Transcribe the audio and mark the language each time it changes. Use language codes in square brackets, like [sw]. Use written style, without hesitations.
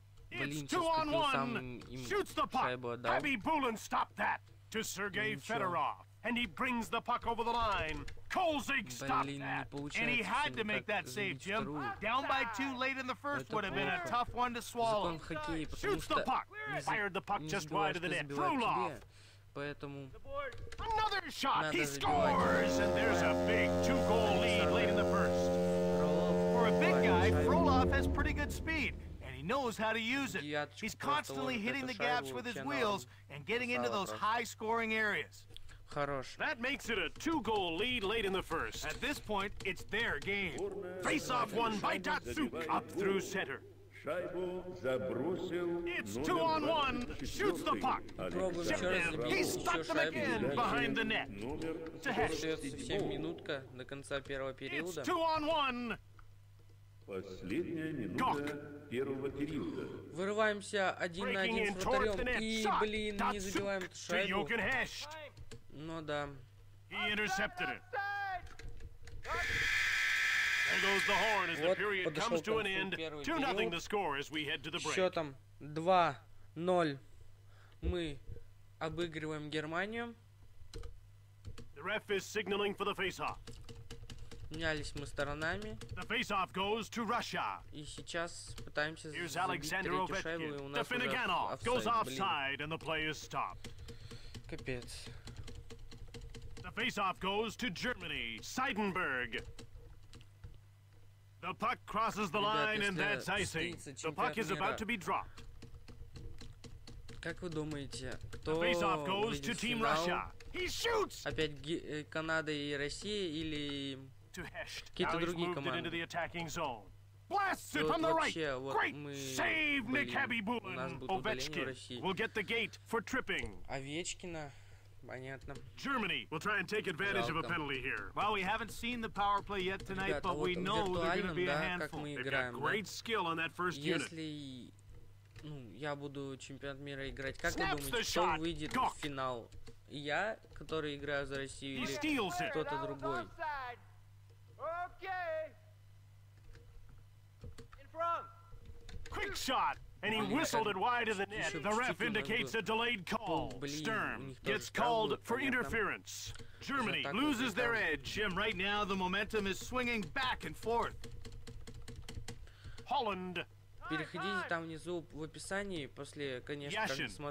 [ru] Блин, сейчас купил сам им шайбу, да? [en] Хабби Буллен stopped that to Сергей Федоров. and he brings the puck over the line. Колзик stopped that, and he had to make that save, Jim. Down by two late in the first would have been a tough one to swallow. Shoots the puck, fired the puck just wide of the net. Frolov. [ru] Поэтому... [en] Another shot! He scores! And there's a big two-goal lead late in the first. For a big guy, Frolov has pretty good speed, and he knows how to use it. He's constantly hitting the gaps with his wheels and getting into those high-scoring areas. [ru] Хорош. [en] That makes it a two-goal lead late in the first. At this point, it's their game. Face-off won by Datsyuk up through center. [ru] Шайбу забросил. [en] It's two on one. Shoots the puck. He's stuck them again behind the net. To Hesh. [ru] 7 минутка до конца первого периода. [en] It's two on one. [ru] Последняя минута первого периода. Вырываемся один на один с вратарем. И, блин, не забиваем эту шайбу. Ну да. [en] He intercepted it. There goes the horn as the period comes to an end. 2-0 the score as we head to the break. [ru] Счетом 2-0. Мы обыгрываем Германию. [en] The ref is signaling for the face-off. [ru] Менялись мы сторонами. [en] The face-off goes to Russia. [ru] И сейчас пытаемся забить Александр Овечкин. [en] The Finneganov goes offside and the play is stopped. [ru] Капец. [en] The face-off goes to Germany. Seidenberg. The puck crosses the line, and that's icing. The puck is about to be dropped. [ru] Как вы думаете, кто выйдет в финал? Опять Канада и Россия или какие-то другие команды? [en] Now he's moved into the blasts it from the right. Great save, Mikhaby Bulin. Ovechkin will get the gate for tripping. [ru] Овечкина. Понятно. [en] Germany will try and take advantage of a penalty here. Well, we haven't seen the power play yet tonight, but we know they're going to be a handful. They've got great skill on that first unit. [ru] Если, ну, я буду чемпионат мира играть, как вы думаете, кто выйдет в финал? Я, который играю за Россию, или кто-то другой? [en] Okay. In front. Quick shot. And he whistled it wide of the net. The ref indicates a delayed call. Stern gets called for interference. Germany loses their edge. Jim, right now the momentum is swinging back and forth. Holland. [ru] Переходите там внизу в описании после, конечно, Yashin